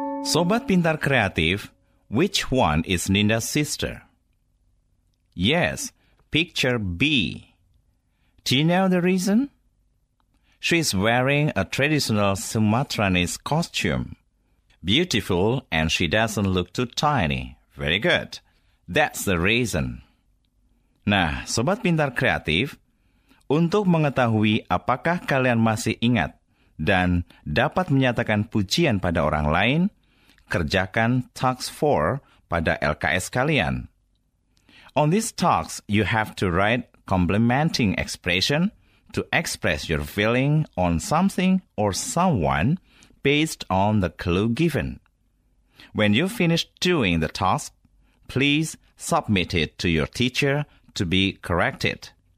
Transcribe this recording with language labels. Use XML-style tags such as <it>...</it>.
<en>Sobat Pintar Kreatif, which one is Ninda's sister? Yes, picture B. Do you know the reason? She is wearing a traditional Sumatranese costume. Beautiful, and she doesn't look too tiny. Very good. That's the reason.</en> <id>Nah, Sobat Pintar Kreatif, untuk mengetahui apakah kalian masih ingat dan dapat menyatakan pujian pada orang lain, kerjakan task 4 pada LKS kalian.</id> <en>On these tasks, you have to write complimenting expression to express your feeling on something or someone based on the clue given. When you finish doing the task, please submit it to your teacher to be corrected.</en>